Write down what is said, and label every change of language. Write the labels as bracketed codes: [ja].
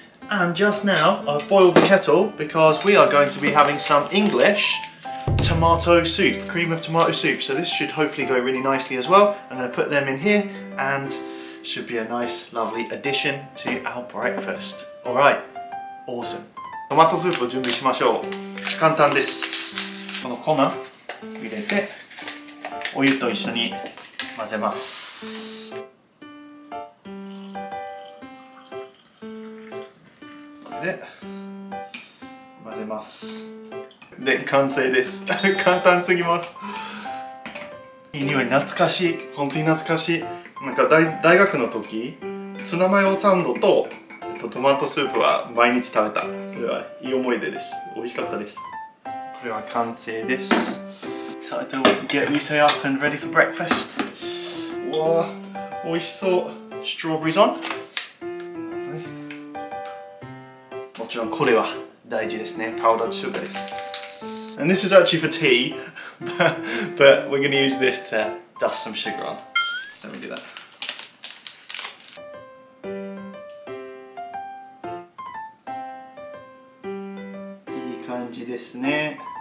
[en] And just now, I've boiled the kettle because we are going to be having some English tomato soup, cream of tomato soup. So this should hopefully go really nicely as well. I'm going to put them in here and should be a nice, lovely addition to our breakfast. All right, awesome. [ja] トマトスープを準備しましょう。簡単です。この粉入れて、お湯と一緒に混ぜます。で混ぜます。で完成です。簡単すぎます。いい匂い、懐かしい。本当に懐かしい。なんか大学の時、ツナマヨサンド とトマトスープは毎日食べた。それはいい思い出です。美味しかったです。これは完成です。 [en] Excited to get Risa up and ready for breakfast。 [ja] わあ、美味しそう。 [en] Strawberries on? [ja] もちろんこれは大事ですね。パウダーシュガーです。 [en] And this is actually for tea, but we're going to use this to dust some sugar on. So let me do that. [ja] いい感じですね。